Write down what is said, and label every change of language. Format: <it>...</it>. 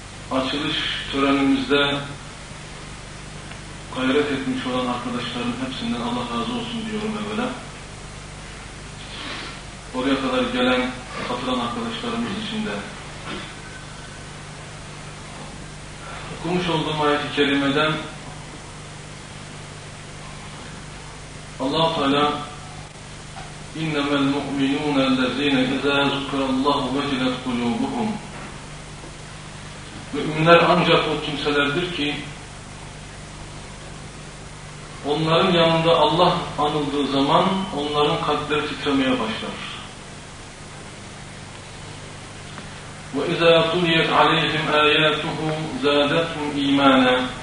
<tr>Açılış törenimizde gayret etmiş olan arkadaşların hepsinden Allah razı olsun diyorum evvela. Oraya kadar gelen, katılan arkadaşlarımız için de. Okumuş olduğum ayet-i kerimeden</tr> <ar>Allah-u Teala اِنَّمَا الْمُؤْمِنُونَ الَّذ۪ينَ اِذَا ذُكَرَ اللّٰهُ وَجِلَتْ قُلُوبُهُمْ.</ar> <tr>Müminler ancak o kimselerdir ki onların yanında Allah anıldığı zaman onların kalpleri titremeye başlar.</tr> <ar>وَإِذَا تُلِيَتْ عَلَيْهِمْ آيَاتُهُ زَادَتْهُمْ اِيمَانًا.</ar>